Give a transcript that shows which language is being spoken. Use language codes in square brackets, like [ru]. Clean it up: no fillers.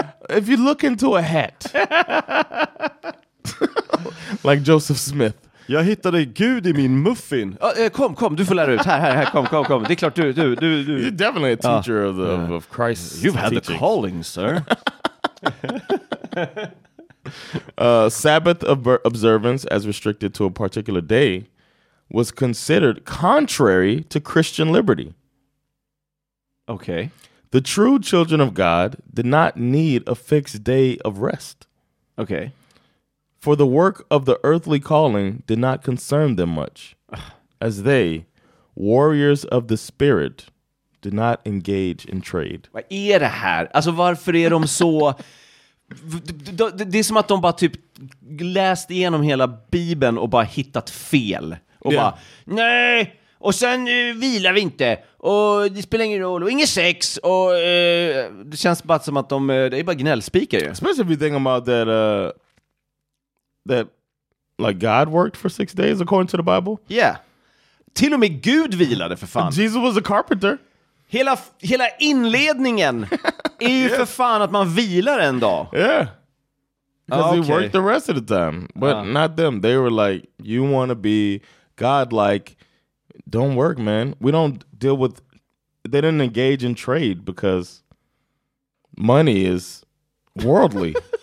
[en] If you look into a hat, like Joseph Smith. [sv] Jag hittade Gud I min muffin. Kom, kom, du får lära ut. Här, här, här, kom, kom, kom. Det är klart, du. [en] You're definitely a teacher of the of Christ's You've had teachings. The calling, sir. Sabbath observance, as restricted to a particular day, was considered contrary to Christian liberty. Okay. The true children of God did not need a fixed day of rest. Okay. For the work of the earthly calling did not concern them much, as they, warriors of the spirit, did not engage in trade. [sv] Vad är det här? Alltså varför är de så... Det är som att de bara typ läste igenom hela Bibeln och bara hittat fel. Och bara, nej, och sen vilar vi inte. Och det spelar ingen roll. Och ingen sex. Och det känns bara som att de... Det är bara gnällspikar ju. [en] Especially if you think about that... That, like, God worked for 6 days according to the Bible. Yeah. [sv] Till och med Gud vilade, för fan. [en] Jesus was a carpenter. [sv] Hela inledningen är ju för fan att man vilar en dag. [en] Yeah. Because he worked the rest of the time. But not them. They were like, you want to be God-like. Don't work, man. We don't deal with... They didn't engage in trade because money is worldly.